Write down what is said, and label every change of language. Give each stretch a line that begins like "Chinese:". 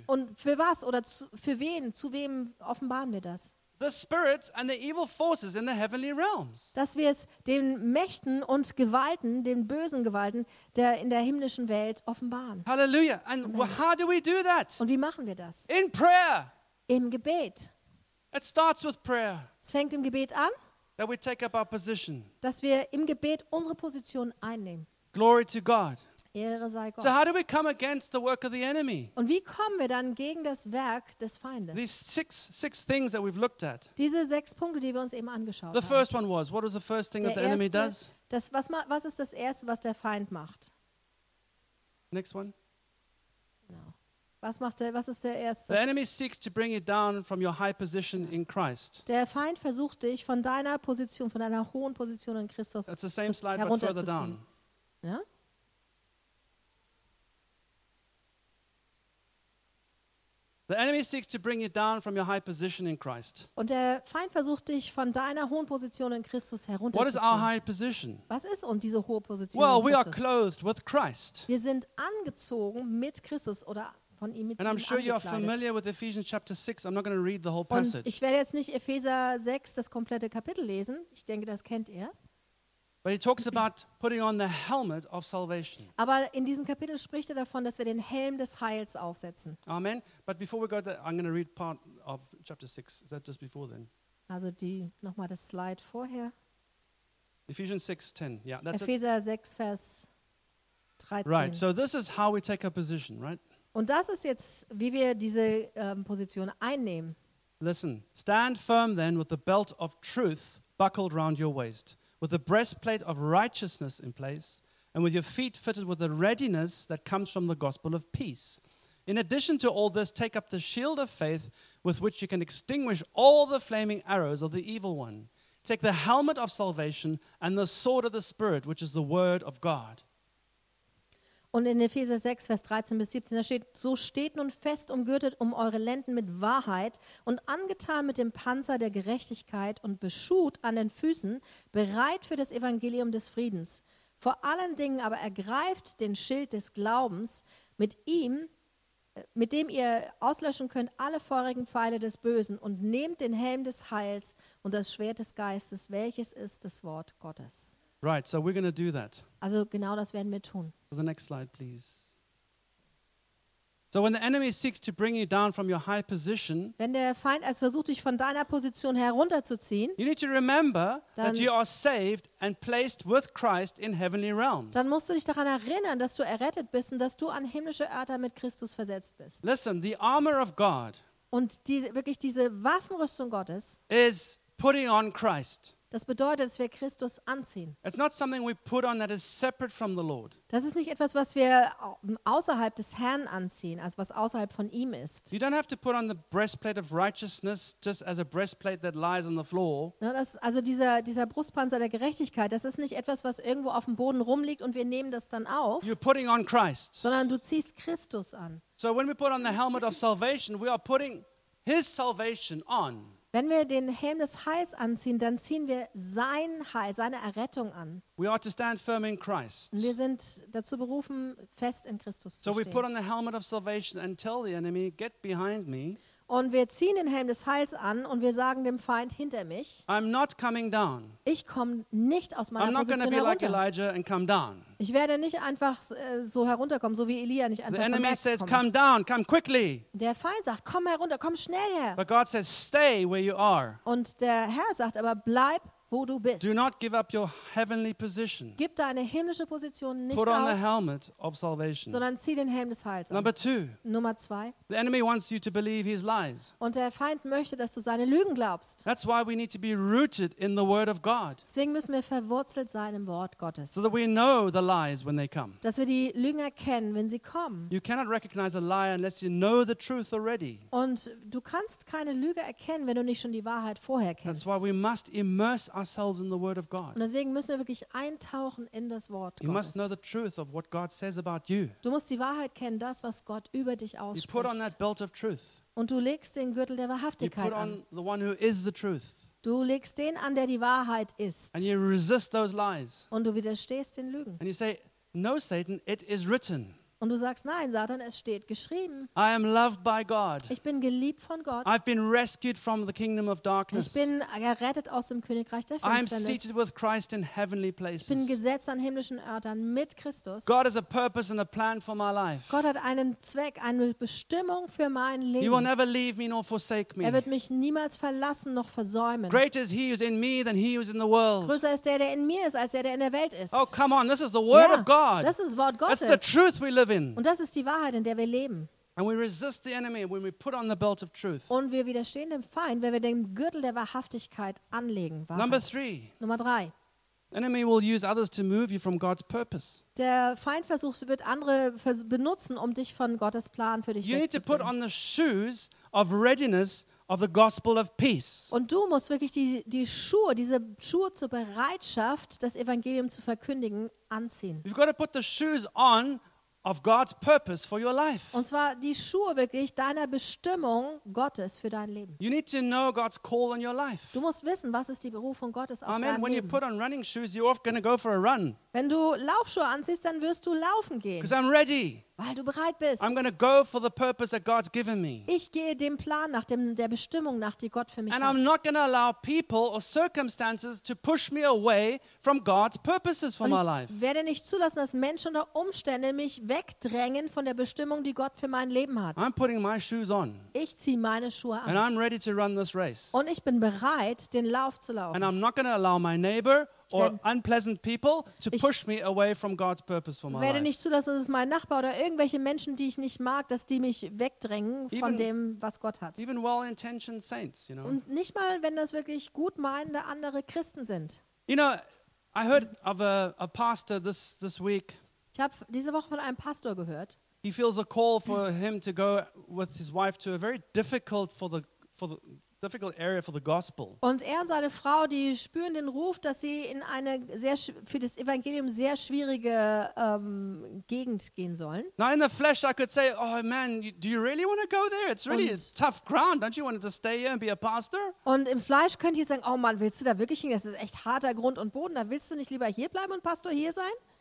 German: Und für was oder zu, für wen? Zu wem offenbaren wir das?
English: the spirits and the evil forces in the heavenly realms.
German: Dass wir es den Mächten und Gewalten, den bösen Gewalten, der in der himmlischen Welt offenbaren.
English: Hallelujah. And how do we do that?
German: Und wie machen wir das?
English: In prayer.
German: Im Gebet.
English: It starts with prayer.
German: Es fängt im Gebet an.
English: That we take up our position.
German: Dass wir im Gebet unsere Position einnehmen.
English: Glory to God.
German: Ehre sei Gott.
English: So how do we come against the work of the enemy?
German: Und wie kommen wir dann gegen das Werk des Feindes?
English: These six things that we've looked at.
German: Diese sechs Punkte, die wir uns eben angeschaut haben.
English: The first one was, what was the first thing
German: der
English: that the
German: erste,
English: enemy does?
German: Das, was ist das Erste, was der Feind macht?
English: Next one.
German: Was macht der, was ist der erste?
English: The enemy seeks to bring you down from your high position in Christ.
German: Der Feind versucht dich von deiner Position, von deiner hohen Position in Christus herunterzuziehen. Ja?
English: The enemy seeks to bring you down from your high position in Christ.
German: Und der Feind versucht dich von deiner hohen Position in Christus herunterzuziehen.
English: What is our high position?
German: Was ist und diese hohe Position?
English: Well,
German: in Christus?
English: We are clothed with Christ.
German: Wir sind angezogen mit Christus oder
English: and I'm sure you are familiar with Ephesians chapter 6. I'm not going to read the whole passage.
German: Und ich werde jetzt nicht Epheser 6 das komplette Kapitel lesen. Ich denke, das kennt ihr.
English: But he talks about putting on the helmet of salvation.
German: Aber in diesem Kapitel spricht er davon, dass wir den Helm des Heils aufsetzen.
English: Amen. But before we go there, I'm going to read part of chapter 6. Is that just before then?
German: Also die noch mal das Slide vorher.
English: Ephesians 6:10. Yeah, that's it.
German: Epheser 6 Vers 13.
English: Right. So this is how we take a position, right?
German: Und das ist jetzt, wie wir diese Position einnehmen.
English: Listen, stand firm then with the belt of truth buckled round your waist, with the breastplate of righteousness in place, and with your feet fitted with the readiness that comes from the gospel of peace. In addition to all this, take up the shield of faith with which you can extinguish all the flaming arrows of the evil one. Take the helmet of salvation and the sword of the Spirit, which is the word of God.
German: Und in Epheser 6, Vers 13 bis 17, da steht, so steht nun fest umgürtet um eure Lenden mit Wahrheit und angetan mit dem Panzer der Gerechtigkeit und beschuht an den Füßen, bereit für das Evangelium des Friedens. Vor allen Dingen aber ergreift den Schild des Glaubens mit ihm, mit dem ihr auslöschen könnt alle feurigen Pfeile des Bösen und nehmt den Helm des Heils und das Schwert des Geistes, welches ist das Wort Gottes.
English: Right, so we're going to do that.
German: Also genau das werden wir tun.
English: So the next slide, please. So when the enemy seeks to bring you down from your high position,
German: wenn der Feind es versucht, dich von deiner Position herunterzuziehen,
English: you need to remember that you are saved and placed with Christ in heavenly realms.
German: Dann musst du dich daran erinnern, dass du errettet bist und dass du an himmlische Orte mit Christus versetzt bist.
English: Listen, the armor of God
German: und diese, wirklich diese Waffenrüstung Gottes
English: is putting on Christ.
German: Das bedeutet, dass wir Christus anziehen.
English: It's not something we put on that is separate from the Lord.
German: Das ist nicht etwas, was wir außerhalb des Herrn anziehen, also was außerhalb von ihm ist.
English: You don't have to put on the breastplate of righteousness just as a breastplate that lies on the floor.
German: Ja, das, also dieser Brustpanzer der Gerechtigkeit, das ist nicht etwas, was irgendwo auf dem Boden rumliegt und wir nehmen das dann auf.
English: You're putting on Christ.
German: Sondern du ziehst Christus an.
English: So when we put on the helmet of salvation, we are putting his salvation on.
German: Wenn wir den Helm des Heils anziehen, dann ziehen wir sein Heil, seine Errettung an.
English: We are to stand firm in Christ.
German: Und wir sind dazu berufen, fest in Christus zu stehen.
English: We put on the helmet of salvation and tell the enemy, get behind me.
German: Und wir ziehen den Helm des Heils an und wir sagen dem Feind hinter mich.
English: I'm not coming down.
German: Ich komme nicht aus meiner Position herunter.
English: I'm not going to be like Elijah and come down.
German: Ich werde nicht einfach so herunterkommen, so wie Elia nicht einfach herunterkommen.
English: The enemy says, come down, come quickly.
German: Der Feind sagt, komm herunter, komm schnell her.
English: But God says, stay where you are.
German: Und der Herr sagt aber, bleib, wo du bist.
English: Do not give up your heavenly position.
German: Gib deine himmlische Position nicht
English: put on
German: auf,
English: the helmet of salvation.
German: Sondern zieh den Helm des Heils an.
English: Number two.
German: Nummer zwei.
English: The enemy wants you to believe his lies.
German: Und der Feind möchte, dass du seine Lügen glaubst.
English: That's why we need to be rooted in the word of God.
German: Deswegen müssen wir verwurzelt sein im Wort Gottes.
English: So that we know the lies when they come.
German: Dass wir die Lügen erkennen, wenn sie kommen.
English: You cannot recognize a lie unless you know the truth already.
German: Und du kannst keine Lüge erkennen, wenn du nicht schon die Wahrheit vorher kennst.
English: That's why we must immerse ourselves in the word of God.
German: Und deswegen müssen wir wirklich eintauchen in das Wort Gottes.
English: You must know the truth of what God says about you.
German: Du musst die Wahrheit kennen, das was Gott über dich ausspricht.
English: You put on that belt of truth.
German: Und du legst den Gürtel der Wahrhaftigkeit an.
English: You put on the one who is the truth.
German: Du legst den an, der die Wahrheit ist.
English: And you resist those lies.
German: Und du widerstehst den Lügen.
English: And you say, no, Satan, it is written.
German: Und du sagst, nein, Satan, es steht geschrieben.
English: I am loved by God.
German: Ich bin geliebt von Gott.
English: I've been rescued from the kingdom of darkness.
German: Ich bin gerettet aus dem Königreich der Finsternis.
English: I am seated with Christ in heavenly places.
German: Ich bin gesetzt an himmlischen Orten mit Christus.
English: God has a purpose and a plan for my life.
German: Gott hat einen Zweck, eine Bestimmung für mein Leben.
English: He will never leave me nor forsake me.
German: Er wird mich niemals verlassen noch versäumen.
English: Greater is he who is in me than he who is in the world.
German: Größer ist der in mir ist, als der in der Welt ist.
English: Oh, come on, this is the word of God.
German: Das ist Wort Gottes.
English: That's the truth we live.
German: Und das ist die Wahrheit, in der wir leben.
English: And we resist the enemy when we put on the belt of truth.
German: Und wir widerstehen dem Feind, wenn wir den Gürtel der Wahrhaftigkeit anlegen. Wahrheit. Nummer drei.
English: Enemy will use others to move you from God's purpose.
German: Der Feind versucht, wird andere benutzen, um dich von Gottes Plan für dich wegzubringen.
English: You need to put on the shoes of readiness of the gospel of peace.
German: Und du musst wirklich diese Schuhe zur Bereitschaft, das Evangelium zu verkündigen, anziehen.
English: You've got to put the shoes on of God's purpose for your life.
German: Und zwar die Schuhe wirklich deiner Bestimmung Gottes für dein Leben.
English: You need to know God's call on your life.
German: Du musst wissen, was ist die Berufung Gottes auf dein Leben.
English: Amen. When you put on running shoes, you're off going to go for a run.
German: Wenn du Laufschuhe anziehst, dann wirst du laufen gehen.
English: Because I'm ready.
German: Weil du bereit bist.
English: I'm going to go for the purpose that God's given me.
German: Ich gehe dem Plan nach, der Bestimmung nach, die Gott für mich
English: and
German: hat.
English: And I'm not going to allow people or circumstances to push me away from God's purposes for my life.
German: Und ich werde nicht zulassen, dass Menschen oder Umstände mich wegdrängen von der Bestimmung, die Gott für mein Leben hat.
English: I'm putting my shoes on.
German: Ich ziehe meine Schuhe an.
English: And I'm ready to run this race.
German: Und ich bin bereit, den Lauf zu laufen.
English: And I'm not going to allow my neighbor or unpleasant people to push me away from God's purpose for my life.
German: Ich werde nicht zulassen, dass es mein Nachbar oder irgendwelche Menschen, die ich nicht mag, dass die mich wegdrängen von dem, was Gott hat.
English: Even well-intentioned saints, you know.
German: Und nicht mal, wenn das wirklich gut meinende andere Christen sind.
English: You know, I heard of a pastor this week.
German: Ich habe diese Woche von einem Pastor gehört.
English: He feels a call for him to go with his wife to a very difficult difficult area for the gospel.
German: Und er und seine Frau, die spüren den Ruf, dass sie in eine sehr für das Evangelium sehr schwierige Gegend gehen sollen.
English: Now in the flesh I could say, oh man, do you really want to go there? It's really a tough ground. Don't you want to stay here and be a pastor?
German: Und im Fleisch könnt ihr sagen, oh man, willst du da wirklich hin? Das ist echt harter Grund und Boden. Da willst du nicht lieber hier bleiben und Pastor hier sein?